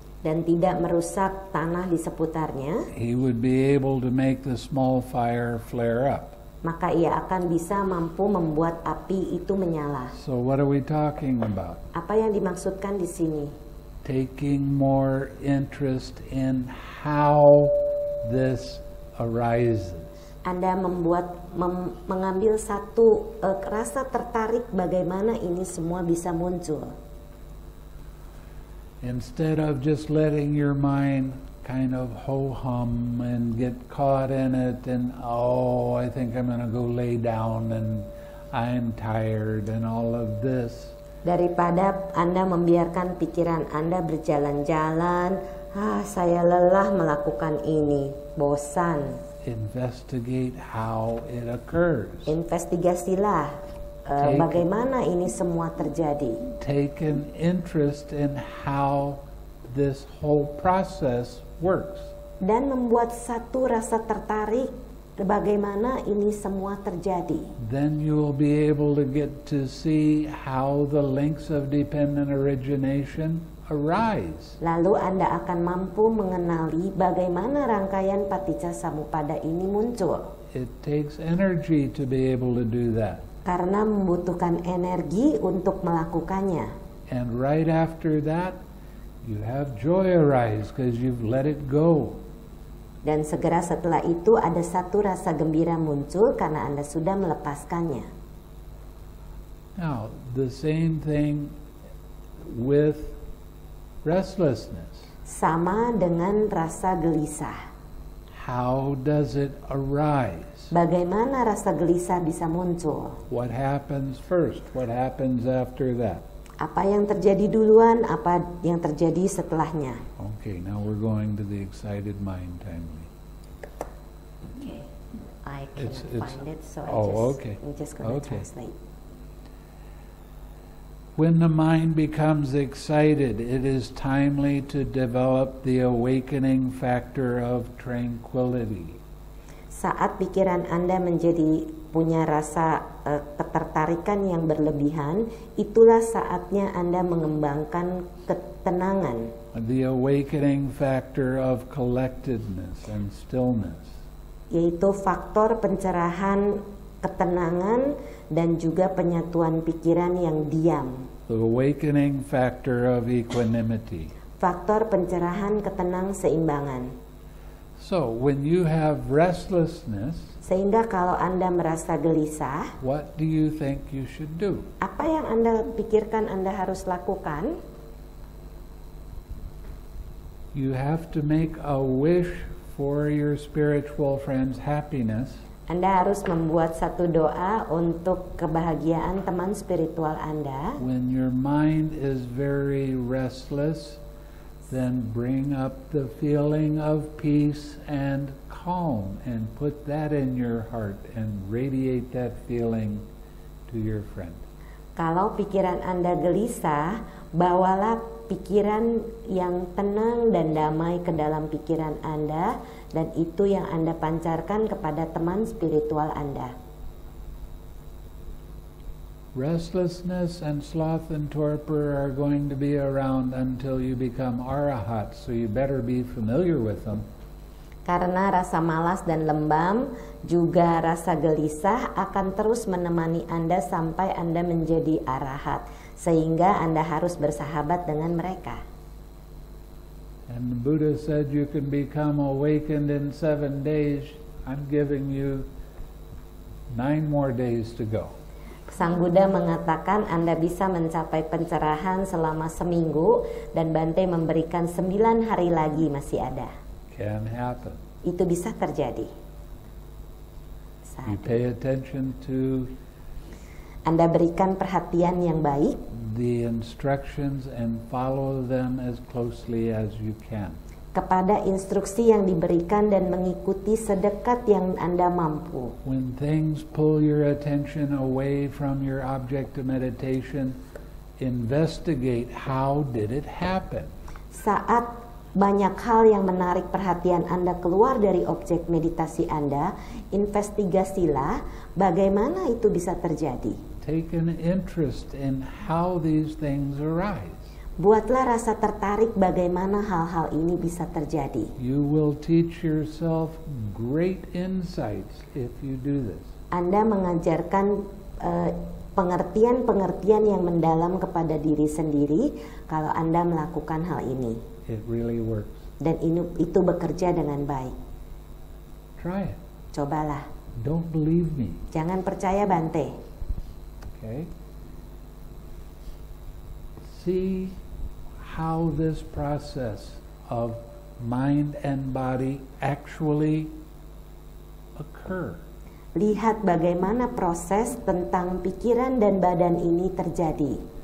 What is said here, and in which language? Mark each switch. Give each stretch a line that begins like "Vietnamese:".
Indonesian: Dan tidak merusak tanah di seputarnya.
English: He would be able to make the small fire flare up.
Indonesian: Maka ia akan bisa mampu membuat api itu menyala.
English: So what are we talking about?
Indonesian: Apa yang dimaksudkan di sini?
English: Taking more interest in how this arises.
Indonesian: Anda membuat mengambil satu rasa tertarik bagaimana ini semua bisa muncul.
English: Instead of just letting your mind kind of ho-hum and get caught in it and oh, I think I'm going to go lay down and I'm tired and all of this.
Indonesian: Daripada Anda membiarkan pikiran Anda berjalan-jalan, saya lelah melakukan ini, bosan.
English: Investigate how it occurs.
Indonesian: Investigasilah. Bagaimana ini semua terjadi?
English: Take an interest in how this whole process works.
Indonesian: Dan membuat satu rasa tertarik bagaimana ini semua terjadi.
English: Then you will be able to get to see how the links of dependent origination arise.
Indonesian: Lalu Anda akan mampu mengenali bagaimana rangkaian paticca samuppada ini muncul.
English: It takes energy to be able to do that.
Indonesian: Karena membutuhkan energi untuk melakukannya.
English: And right after that, you have joy arise because you've let it go.
Indonesian: Dan segera setelah itu ada satu rasa gembira muncul karena Anda sudah melepaskannya.
English: Now, the same thing with restlessness.
Indonesian: Sama dengan rasa gelisah.
English: How does it arise?
Indonesian: Bagaimana rasa gelisah bisa muncul?
English: What happens first? What happens after that?
Indonesian: Apa yang terjadi duluan? Apa yang terjadi setelahnya?
English: Okay, now we're going to the excited mind timely. Okay, I can't find it, so I'm just going to translate. When the mind becomes excited, it is timely to develop the awakening factor of tranquility.
Indonesian: Saat pikiran Anda menjadi punya rasa ketertarikan yang berlebihan, itulah saatnya Anda mengembangkan ketenangan.
English: The awakening factor of collectedness and stillness.
Indonesian: Yaitu faktor pencerahan ketenangan dan juga penyatuan pikiran yang diam.
English: The awakening factor of equanimity.
Indonesian: Faktor pencerahan ketenang seimbangan.
English: So when you have restlessness,
Indonesian: sehingga kalau Anda merasa gelisah,
English: what do you think you should do?
Indonesian: Apa yang Anda pikirkan Anda harus lakukan?
English: You have to make a wish for your spiritual friend's happiness.
Indonesian: Anda harus membuat satu doa untuk kebahagiaan teman spiritual Anda.
English: When your mind is very restless, then bring up the feeling of peace and calm and put that in your heart and radiate that feeling to your friend.
Indonesian: Kalau pikiran Anda gelisah, bawalah pikiran yang tenang dan damai ke dalam pikiran Anda, dan itu yang Anda pancarkan kepada teman spiritual Anda.
English: Restlessness and sloth and torpor are going to be around until you become arahat, so you better be familiar with them.
Indonesian: Karena rasa malas dan lembam, juga rasa gelisah akan terus menemani Anda sampai Anda menjadi arahat, sehingga Anda harus bersahabat dengan mereka.
English: And the Buddha said you can become awakened in 7 days. I'm giving you 9 more days to go.
Indonesian: Sang Buddha mengatakan Anda bisa mencapai pencerahan selama seminggu, dan Bante memberikan 9 hari lagi masih ada.
English: Can happen.
Indonesian: Itu bisa terjadi.
English: You pay attention to.
Indonesian: Anda berikan perhatian yang baik.
English: The instructions and follow them as closely as you can.
Indonesian: Kepada instruksi yang diberikan dan mengikuti sedekat yang Anda mampu.
English: When things pull your attention away from your object of meditation, investigate how did it happen.
Indonesian: Saat banyak hal yang menarik perhatian Anda keluar dari objek meditasi Anda, investigasilah bagaimana itu bisa terjadi.
English: Take an interest in how these things arise.
Indonesian: Buatlah rasa tertarik bagaimana hal-hal ini bisa terjadi.
English: You will teach yourself great insights if you do this.
Indonesian: Anda mengajarkan pengertian-pengertian yang mendalam kepada diri sendiri kalau Anda melakukan hal ini.
English: It really works.
Indonesian: Dan itu bekerja dengan baik.
English: Try it.
Indonesian: Cobalah.
English: Don't believe me.
Indonesian: Jangan percaya Bante.
English: Okay. See how this process of mind and body actually occur.
Indonesian: Lihat bagaimana proses tentang pikiran dan badan ini terjadi.